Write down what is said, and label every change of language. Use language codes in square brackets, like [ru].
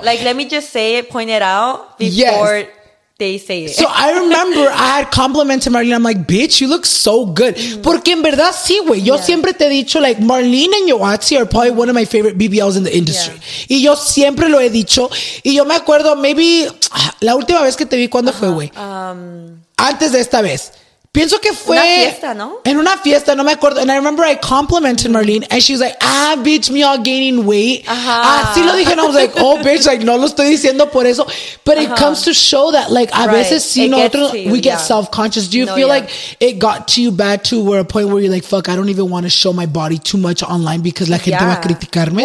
[en] Like, let me just say it, point it out before they say it. So I remember I had complimented Marlene. I'm like, bitch, you look so good. [es] Porque en verdad sí, güey. [en] Yo siempre te he dicho, like, Marlene and Yoatzy are probably one of my favorite BBLs in the industry. [es] Yeah. Y yo siempre lo he dicho. Y yo me acuerdo, maybe... La última vez que te vi, ¿cuándo fue, güey? Antes de esta vez. Pienso que fue... Una fiesta, ¿no? En una fiesta, no me acuerdo. [en] And I remember I complimented Marlene and she was like, ah, bitch, me all gaining weight. [es] Así lo dije, and I was like, oh, bitch, like, no lo estoy diciendo por eso. [en] But it comes to show that, like, a veces si nosotros, we get self-conscious. Do you feel like it got to you bad to where a point where you're like, fuck, I don't even want to show my body too much online because la gente va a criticarme?